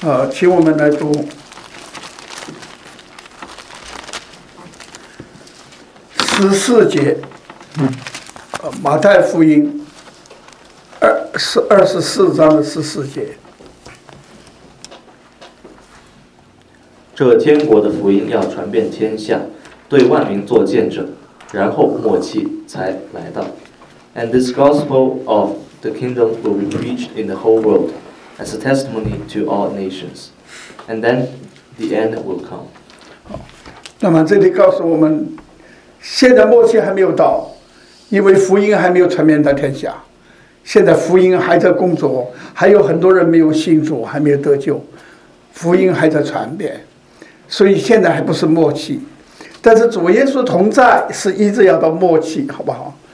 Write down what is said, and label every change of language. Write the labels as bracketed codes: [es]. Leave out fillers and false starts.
[zh] 请我们来读14节，马太福音24章的14节。这天国的福音要传遍天下，对万民做见证，然后末期才来到。 [en] And this gospel of the kingdom will be preached in the whole worldas a testimony to all nations, and then the end will come. [zh] 那么这里告诉我们，现在末期还没有到，因为福音还没有传遍到天下，现在福音还在工作，还有很多人没有信主，还没有得救，福音还在传遍，所以现在还不是末期，但是主耶稣同在是一直要到末期，好不好？